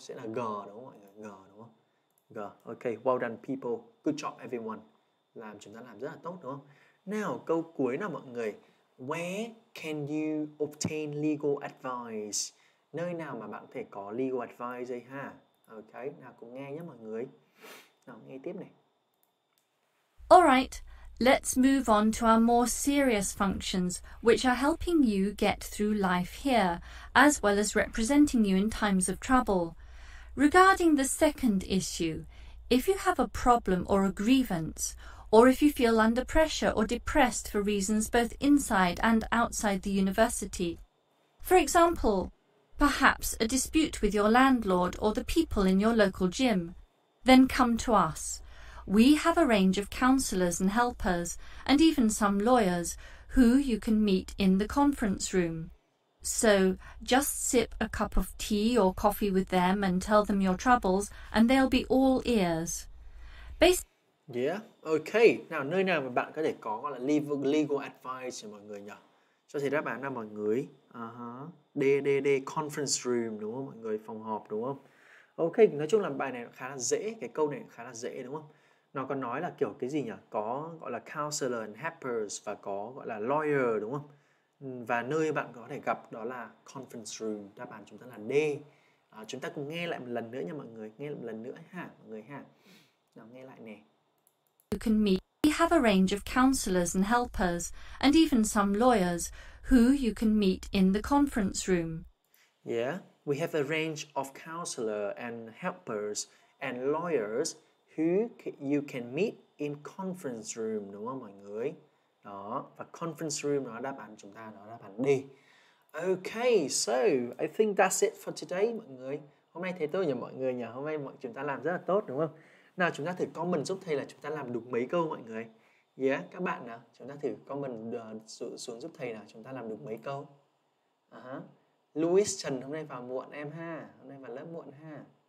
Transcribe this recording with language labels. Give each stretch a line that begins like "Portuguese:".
Vietnamese: Sẽ là G, đúng không mọi người? G, đúng không? G, ok,
English: well done people. Good job everyone.
Vietnamese: Làm, chúng ta làm rất là tốt, đúng không? Nào, câu cuối nào mọi người.
English: Where can you obtain legal advice?
Vietnamese: Nơi nào mà bạn có thể có legal advice đây ha? Ok, nào cùng nghe nhé mọi người. Nào, nghe tiếp này.
English: Alright. Let's move on to our more serious functions, which are helping you get through life here, as well as representing you in times of trouble. Regarding the second issue, if you have a problem or a grievance, or if you feel under pressure or depressed for reasons both inside and outside the university, for example, perhaps a dispute with your landlord or the people in your local gym, then come to us. We have a range of counsellors and helpers, and even some lawyers, who you can meet in the conference room. So, just sip a cup of tea or coffee with them and tell them your troubles, and they'll be all ears. Yeah, okay.
Vietnamese: Now, nơi nào mà bạn có thể có gọi là legal advice cho mọi người nhỉ? Cho thầy đáp án nào mọi người? D, conference room, đúng không mọi người? Phòng họp, đúng không? Okay, nói chung là bài này khá là dễ, cái câu này khá là dễ, đúng không? Nó còn nói là kiểu cái gì nhỉ? Có gọi là counselor and helpers và có gọi là lawyer, đúng không? Và nơi bạn có thể gặp đó là conference room. Đáp án chúng ta là D. Chúng ta cùng nghe lại một lần nữa nha mọi người. Nghe lại một lần nữa ha mọi người ha. Nào nghe lại nè.
English: You can meet. We have a range of counselors and helpers and even some lawyers who you can meet in the conference room. Yeah, we have a range of counselors and helpers and lawyers who you can meet in conference room.
Vietnamese: Đúng không mọi người? Đó, và conference room nó đáp án chúng ta, nó đáp án D.
English: Okay, so I think that's it for today,
Vietnamese: mọi người. Hôm nay thầy tôi nhờ mọi người nhờ, hôm nay mọi chúng ta làm rất là tốt đúng không? Nào chúng ta thử comment giúp thầy là chúng ta làm đúng mấy câu mọi người. Yeah, các bạn nào, chúng ta thử comment xuống giúp thầy là chúng ta làm đúng mấy câu. Louis Trần hôm nay vào muộn em ha, hôm nay vào lớp muộn ha.